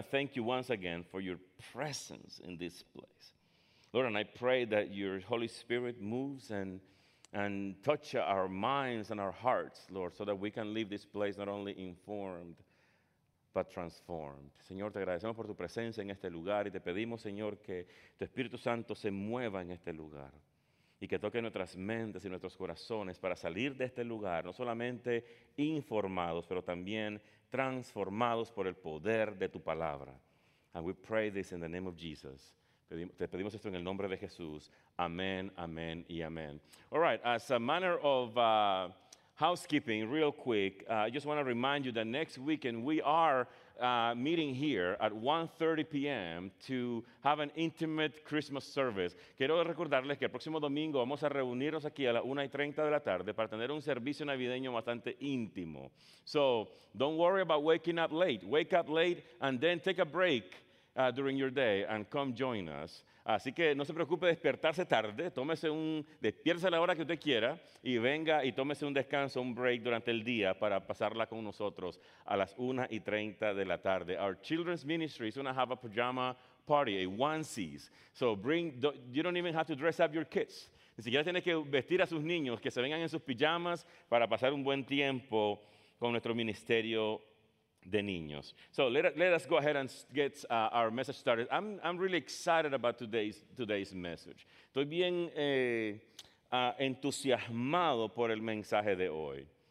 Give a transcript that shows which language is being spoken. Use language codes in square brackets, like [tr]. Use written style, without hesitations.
[en] thank you once again for your presence in this place. Lord, and I pray that your Holy Spirit moves and touch our minds and our hearts, Lord, so that we can leave this place not only informed, but transformed. [es] Señor, te agradecemos por tu presencia en este lugar y te pedimos, Señor, que tu Espíritu Santo se mueva en este lugar y que toque nuestras mentes y nuestros corazones para salir de este lugar, no solamente informados, pero también transformados por el poder de tu palabra. [en] And we pray this in the name of Jesus. [es] Te pedimos esto en el nombre de Jesús. Amén, amén y amén. [en] All right, as a manner of housekeeping, real quick, I just want to remind you that next weekend we are meeting here at 1:30 p.m. to have an intimate Christmas service. [es] Quiero recordarles que el próximo domingo vamos a reunirnos aquí a las 1:30 de la tarde para tener un servicio navideño bastante íntimo. [en] So don't worry about waking up late. Wake up late and then take a break during your day and come join us. [es] Así que no se preocupe de despertarse tarde, despiértese a la hora que usted quiera y venga y tómese un descanso, un break durante el día para pasarla con nosotros a las 1:30 de la tarde. [en] Our children's ministry is going to have a pajama party, a onesies. So you don't even have to dress up your kids. [es] Ni siquiera tiene que vestir a sus niños, que se vengan en sus pijamas para pasar un buen tiempo con nuestro ministerio de niños. [en] So let us go ahead and get our message started. I'm really excited about today's message. [es] Estoy bien entusiasmado por el mensaje de hoy.